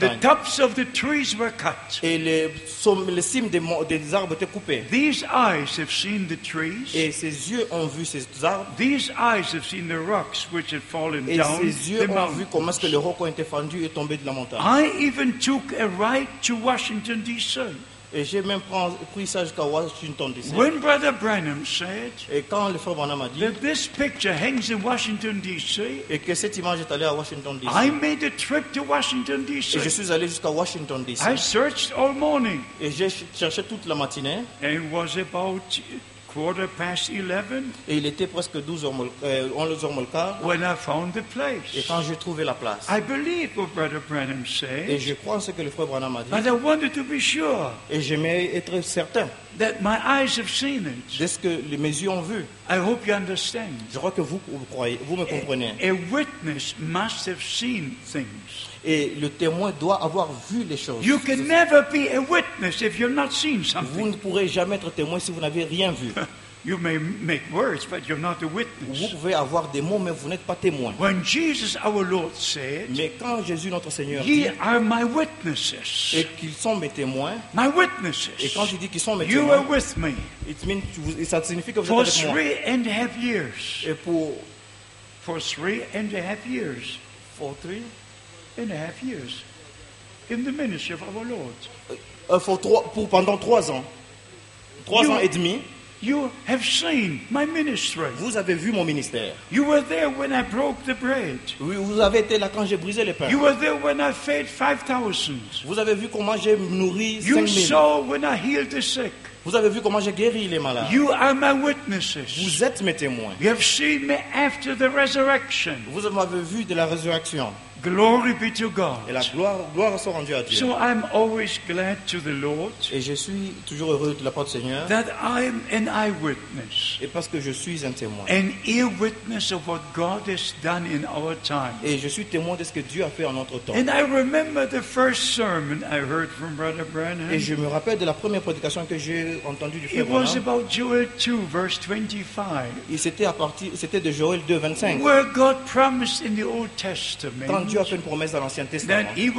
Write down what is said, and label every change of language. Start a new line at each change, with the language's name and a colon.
English: And the tops of the trees were cut.
French: Et les cimes des arbres étaient coupées.
English: These eyes have seen the trees.
French: Et ses yeux ont vu ces arbres.
English: These eyes have seen the rocks which had fallen down the mountains.
French: Et ses yeux ont vu comment est-ce que les rocs ont été fendus et tombés de la montagne.
English: I even took a ride to Washington D.C.
French: Et j'ai même pris ça jusqu'à Washington D.C.
English: When Brother Branham said,
French: et quand le frère Branham a dit
English: that this picture hangs in Washington D.C.
French: et que cette image est allée à Washington D.C.
English: I made a trip to Washington D.C.
French: et je suis allé jusqu'à Washington D.C.
English: I searched all morning.
French: Et j'ai cherché toute la matinée.
English: And it was about 11:15.
French: Et il était presque 11h15.
English: When I found the place.
French: Et quand j'ai trouvé la place.
English: I believe what Brother Branham said.
French: Et je crois en ce que le frère Branham a dit.
English: But I wanted to be sure.
French: Et j'aimais être certain.
English: That my eyes have seen it.
French: De ce que les mes yeux ont vu.
English: I hope you understand.
French: Je crois que vous croyez, vous me comprenez.
English: A witness must have seen things.
French: Et le témoin doit avoir vu les choses.
English: You can never be a witness if you've not seen something.
French: Vous ne pourrez jamais être témoin si vous n'avez rien vu.
English: You may make words, but you're not a witness.
French: Vous pouvez avoir des mots, mais vous n'êtes pas témoin.
English: When Jesus, our Lord, said,
French: mais quand Jésus, notre Seigneur,
English: ye are my witnesses.
French: Et qu'ils sont mes témoins.
English: My witnesses.
French: Et quand je dis qu'ils sont mes
English: you
French: témoins.
English: You are with me. It means
French: ça signifie que vous êtes avec moi.
English: For 3.5 years.
French: Et pour.
English: For 3.5 years. For 3.5 years. In the ministry of our Lord.
French: Pendant trois ans. Trois ans et demi.
English: You have seen my ministry.
French: Vous avez vu mon ministère.
English: You were there when I broke the bread.
French: Oui, vous avez été là quand j'ai brisé les pains.
English: You were there when I fed 5,000.
French: Vous avez vu comment j'ai nourri 5,000.
English: You saw when I healed the sick.
French: Vous avez vu comment j'ai guéri les malades.
English: You are my witnesses.
French: Vous êtes mes témoins.
English: You have seen me after the resurrection.
French: Vous m'avez vu de la résurrection.
English: Glory be to God.
French: Et la gloire soit rendue à Dieu.
English: So I'm always glad to the Lord.
French: Et je suis toujours heureux de la part du Seigneur.
English: That I am an eyewitness.
French: Et parce que je suis un témoin.
English: An ear witness of what God has done in our time.
French: Et je suis témoin de ce que Dieu a fait en notre temps.
English: And I remember the first sermon I heard from Brother Branham.
French: Et je me rappelle de la première prédication que j'ai entendue du frère Branham.
English: It was about Joel 2, verse 25.
French: Et c'était de Joël 2, 25.
English: Where God promised in the Old Testament.
French: Dieu a fait une promesse dans l'Ancien Testament.